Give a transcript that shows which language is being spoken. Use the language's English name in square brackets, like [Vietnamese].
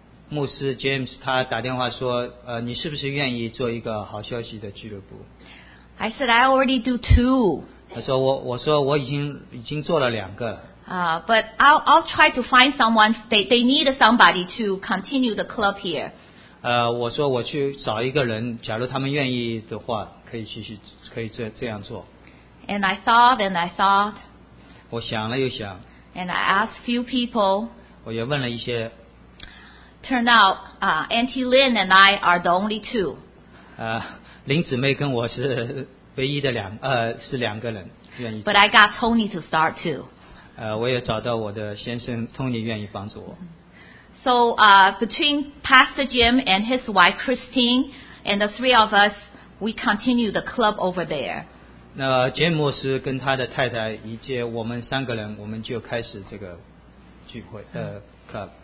[Chinese] 牧师 James 他打电话说，你是不是愿意做一个好消息的俱乐部 [English] ？I said I already do two. [Chinese] 他说我说我已经做了两个。 [English] But I'll try to find someone. They need somebody to continue the club here. [Chinese] 我说我去找一个人，假如他们愿意的话，可以继续，可以这样做。 [English] And I thought and I thought. [Chinese] 我想了又想。 [English] And I asked few people. [Chinese] 我也问了一些。 [English] Turn out, Auntie Lynn and I are the only two. [Chinese] 林姊妹跟我是唯一的两个人愿意。 [English] But I got Tony to start too. [Chinese] 我也找到我的先生 Tony 愿意帮助我。 [English] So, between Pastor Jim and his wife Christine and the three of us, we continue the club over there. [Chinese] 那 Jim 牧师跟他的太太以及我们三个人，我们就开始这个聚会的 club。